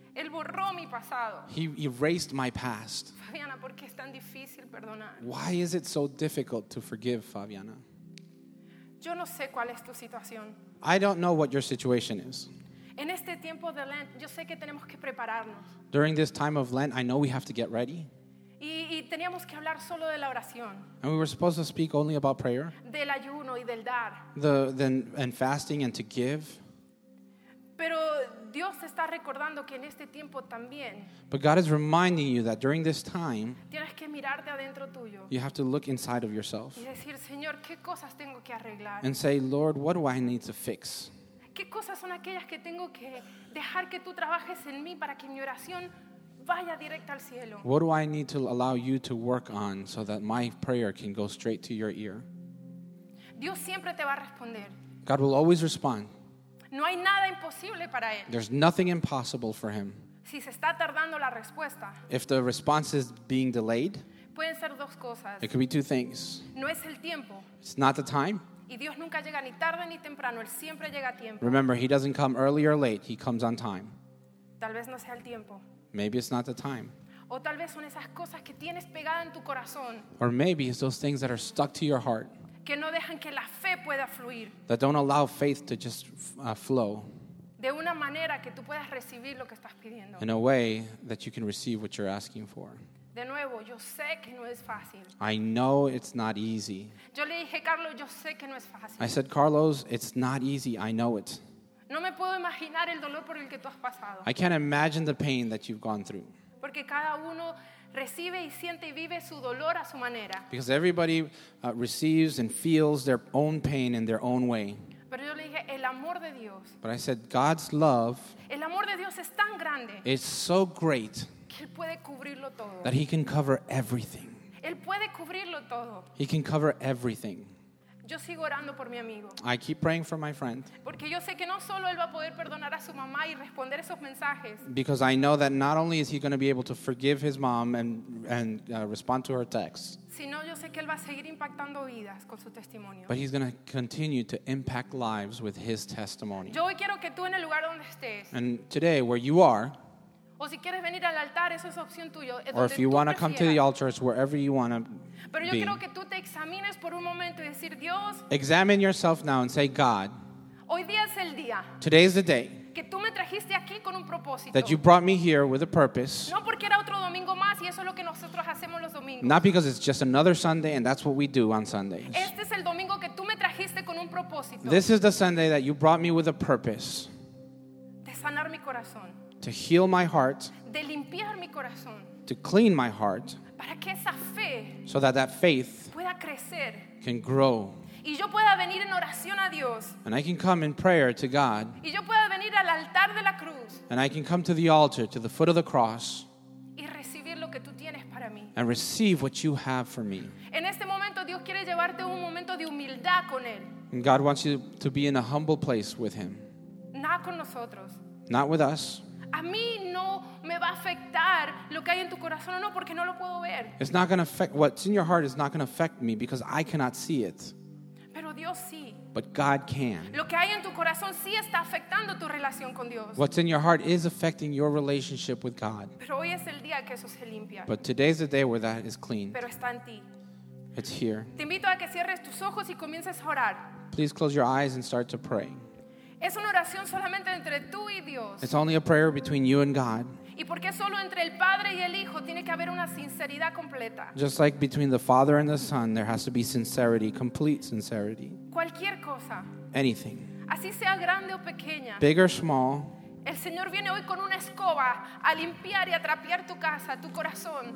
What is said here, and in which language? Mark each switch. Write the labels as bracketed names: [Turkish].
[Spanish] Él borró mi pasado. pasado. [English] He erased my past. [Spanish] Fabiana, ¿por qué es tan difícil perdonar? [English] Why is it so difficult to forgive, Fabiana? [Spanish] Yo no sé cuál es tu situación. [English] I don't know what your situation is. [Spanish] En este tiempo de Lent, yo sé que tenemos que prepararnos. [English] During this time of Lent, I know we have to get ready. [Spanish] Y teníamos que hablar solo de la oración. [English] And we were supposed to speak only about prayer. [Spanish] Del ayuno y del dar. [English] And fasting and to give. [Spanish] Pero Dios está recordando que en este tiempo también. [English] But God is reminding you that during this time. [Spanish] Tienes que mirarte adentro tuyo. [English] You have to look inside of yourself. [Spanish] Y decir, Señor, ¿qué cosas tengo que arreglar? [English] And say, Lord, what do I need to fix? [Spanish] ¿Qué cosas son aquellas que tengo que dejar que tú trabajes en mí para que mi oración vaya directa al cielo? [English] What do I need to allow you to work on so that my prayer can go straight to your ear? [Spanish] Dios siempre te va a responder. [English] God will always respond. [Spanish] No hay nada imposible para él. [English] There's nothing impossible for him. [Spanish] Si se está tardando la respuesta. [English] If the response is being delayed. [Spanish] Pueden ser dos cosas. [English] It could be two things. [Spanish] No es el tiempo. [English] It's not the time. [Spanish] Y Dios nunca llega ni tarde ni temprano, él siempre llega a tiempo. [English] Remember, he doesn't come early or late, he comes on time. [Spanish] Tal vez no sea el tiempo. [English] Maybe it's not the time. [Spanish] O tal vez son esas cosas que tienes pegada en tu corazón. [English] Or maybe it's those things that are stuck to your heart. [Spanish] Que no dejan que la fe pueda fluir. [English] That don't allow faith to just flow. [Spanish] De una manera que tú puedas recibir lo que estás pidiendo. [English] In a way that you can receive what you're asking for. [Spanish] De nuevo, yo sé que no es fácil. [English] I know it's not easy. [Spanish] Yo le dije, Carlos, yo sé que no es fácil. [English] I said, Carlos, it's not easy. I know it. [Spanish] No me puedo imaginar el dolor por el que tú has pasado. [English] I can't imagine the pain that you've gone through. [Spanish] Porque cada uno recibe y siente y vive su dolor a su manera. [English] Because everybody receives and feels their own pain in their own way. [Spanish] Pero yo le dije, el amor de Dios. [English] But I said, God's love. [Spanish] El amor de Dios es tan grande. [English] It's so great. [Spanish] Él puede cubrirlo todo. [English] That he can cover everything. [Spanish] Él puede cubrirlo todo. [English] He can cover everything. [Spanish] Yo sigo orando por mi amigo. [English] I keep praying for my friend. [Spanish] Porque yo sé que no solo él va a poder perdonar a su mamá y responder esos mensajes. [English] Because I know that not only is he going to be able to forgive his mom and respond to her texts. [Spanish] Sino yo sé que él va a seguir impactando vidas con su testimonio. [English] But he's going to continue to impact lives with his testimony. [Spanish] Yo hoy quiero que tú en el lugar donde estés. [English] And today, where you are. [Spanish] O si quieres venir al altar, eso es opción tuya. [English] Or if you want to come to the altar, it's wherever you want to be. [Spanish] Pero yo quiero que tú te examines por un momento y decir, Dios. [English] Examine yourself now and say, God. [Spanish] Hoy día es el día. [English] Today is the day. [Spanish] Que tú me trajiste aquí con un propósito. [English] That you brought me here with a purpose. [Spanish] No porque era otro domingo más y eso es lo que nosotros hacemos los domingos. [English] Not because it's just another Sunday and that's what we do on Sundays. [Spanish] Este es el domingo que tú me trajiste con un propósito. [English] This is the Sunday that you brought me with a purpose. [Spanish] De sanar mi corazón. [English] To heal my heart. [Spanish] De limpiar mi corazón. [English] To clean my heart. [Spanish] Para que esa fe. [English] So that faith. [Spanish] Pueda crecer. [English] Can grow. [Spanish] Y yo pueda venir en oración a Dios. [English] And I can come in prayer to God. [Spanish] Y yo pueda venir al altar de la cruz. [English] And I can come to the altar, to the foot of the cross. [Spanish] Y recibir lo que tú tienes para mí. [English] And receive what you have for me. [Spanish] En este momento Dios quiere llevarte un momento de humildad con él. [English] And God wants you to be in a humble place with him. Not [Spanish] con nosotros. [English] Not with us. [Spanish] A mí no me va a afectar lo que hay en tu corazón o no, porque no lo puedo ver. [English] It's not going to affect, what's in your heart is not going to affect me because I cannot see it. [Spanish] Pero Dios sí. [English] But God can. [Spanish] Lo que hay en tu corazón sí está afectando tu relación con Dios. [English] What's in your heart is affecting your relationship with God. [Spanish] Pero hoy es el día que eso se limpia. [English] But today's the day where that is clean. [Spanish] Pero está en ti. [English] It's here. [Spanish] Te invito a que cierres tus ojos y comiences a orar. [English] Please close your eyes and start to pray. [Spanish] Es una oración solamente entre tú y Dios. [English] It's only a prayer between you and God. [Spanish] Y porque solo entre el Padre y el Hijo tiene que haber una sinceridad completa. [English] Just like between the Father and the Son, there has to be sincerity, complete sincerity. [Spanish] Cualquier cosa. [English] Anything. [Spanish] Así sea grande o pequeña. [English] Big or small. [Spanish] El Señor viene hoy con una escoba a limpiar y a trapear tu casa, tu corazón.